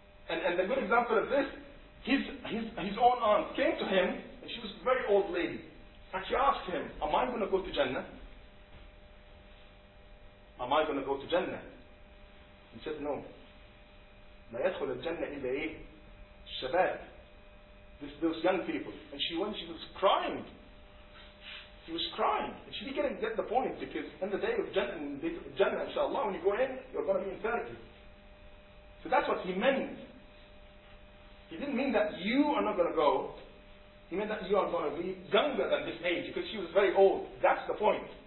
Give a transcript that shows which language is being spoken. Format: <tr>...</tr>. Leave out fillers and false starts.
<en>And a good example of this, his own aunt came to him, and she was a very old lady. And she asked him, am I going to go to Jannah? Am I going to go to Jannah? He said, no.</en> <ar>لا يدخل الجنة إلا إيه الشباب.</ar> <en>Those young people. And she went, she was crying. She was crying. And she didn't get the point, because in the day of Jannah, inshallah, when you go in, you're going to be in therapy. So that's what he meant. He didn't mean that you are not going to go. He meant that you are going to be younger than this age, because she was very old. That's the point.</en>